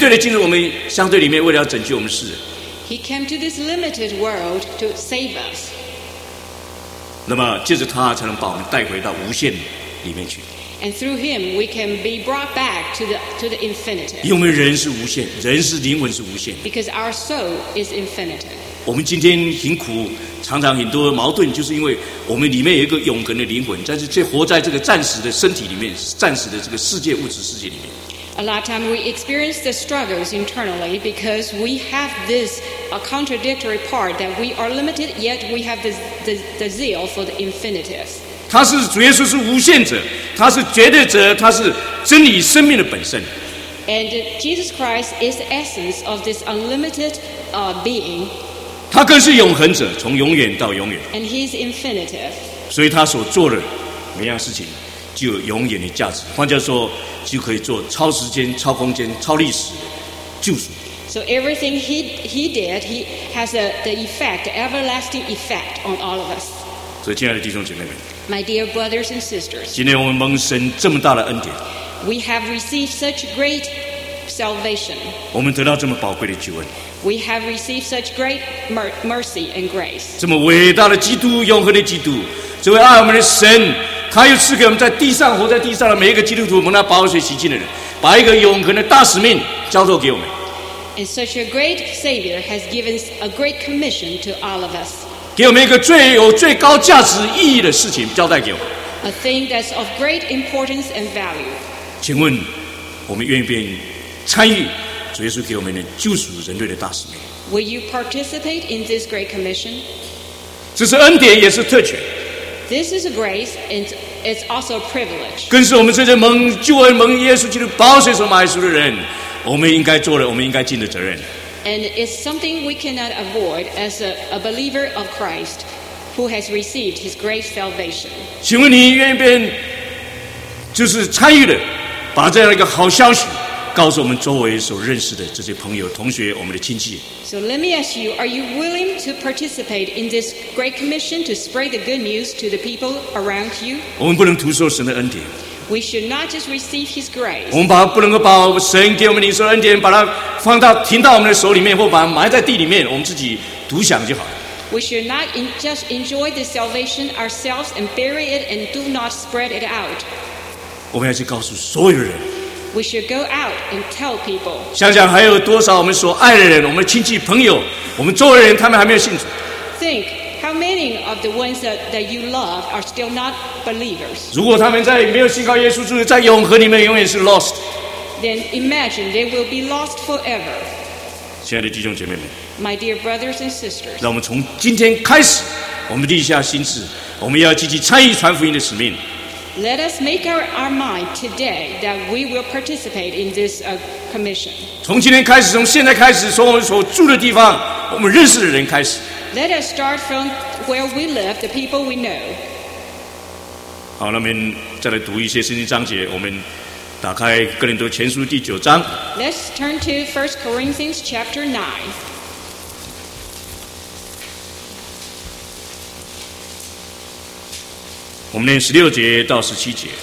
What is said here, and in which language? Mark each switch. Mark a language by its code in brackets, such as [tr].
[zh] 他不仅活在历史里面，他从来本来是从超历史那里来的，本来从无限的进入我们有限的，从绝对的进入我们相对里面，为了要拯救我们世人。He [en] came to this limited world to save us. [zh] 那么，借着他才能把我们带回到无限里面去。And [en] through him, we can be brought back to the infinite. [zh] 因为人是无限，人是灵魂是无限。 [en] Because our soul is infinite. [zh] 我们今天很苦，常常很多矛盾，就是因为我们里面有一个永恒的灵魂，但是却活在这个暂时的身体里面，暂时的这个世界物质世界里面。 [en] A lot of time we experience the struggles internally because we have this contradictory part that we are limited, yet we have the zeal for the infinitive. [zh] 他是主耶稣是无限者，他是绝对者，他是真理生命的本身。 [en] And Jesus Christ is the essence of this unlimited being. [zh] 他更是永恒者，从永远到永远。 [en] And he's infinitive. [zh] 所以他所做的每样事情就有永远的价值。换句话说，就可以做超时间、超空间、超历史的救赎。 [en] So everything he did, he has the effect, the everlasting effect on all of us. [zh] 所以，亲爱的弟兄姐妹们 [en] ，My dear brothers and sisters， [zh] 今天我们蒙神这么大的恩典 [en] ，We have received such great salvation。 [zh] 我们得到这么宝贵的救恩 [en] ，We have received such great mercy and grace。 [zh] 这么伟大的基督，永恒的基督，这位爱我们的神。他又赐给我们在地上活在地上的每一个基督徒蒙他宝血洗净的人，把一个永恒的大使命交托给我们。 [en] And such a great Savior has given a great commission to all of us. [zh] 给我们一个最有最高价值意义的事情交代给我们。 [en] A thing that's of great importance and value. [zh] 请问，我们愿不愿意参与主耶稣给我们的救赎人类的大使命 [en] ？Will you participate in this great commission? [zh] 这是恩典，也是特权。 [en] This is a grace, and it's also a privilege. [zh] 更是我们这些蒙救恩、蒙耶稣基督宝血所买赎的人，我们应该做的，我们应该尽的责任。 [en] And it's something we cannot avoid as a believer of Christ who has received His great salvation. [zh] 请问你愿不愿就是参与的，把这样一个好消息告诉我们周围所认识的这些朋友、同学、我们的亲戚。 [en] So let me ask you, are you willing to participate in this great commission to spread the good news to the people around you? [zh] 我们不能徒受神的恩典。 [en] We should not just receive His grace. [zh] 我们不能够把神给我们领受的恩典，把它放到停到我们的手里面，或把它埋在地里面，我们自己独享就好。 [en] We should not just enjoy the salvation ourselves and bury it and do not spread it out. [zh] 我们要去告诉所有人。 [en] We should go out and tell people. [zh] 想想还有多少我们所爱的人，我们亲戚朋友，我们周围人，他们还没有信主。 [en] Think how many of the ones that you love are still not believers. [zh] 如果他们在没有信靠耶稣之后，在永恒里面永远是 lost. [en] Then imagine they will be lost forever. [zh] 亲爱的弟兄姐妹们 [en] ，My dear brothers and sisters， [zh] 让我们从今天开始，我们立下心志，我们要积极参与传福音的使命。 [en] Let us make our mind today that we will participate in this commission. [zh] 从今天开始，从现在开始，从我们所住的地方，我们认识的人开始。 [en] Let us start from where we live, the people we know. [zh] 好，那我们再来读一些圣经章节。我们打开哥林多前书第九章。 [en] Let's turn to 1 Corinthians chapter 9. [zh] 我们念十六节到十七节。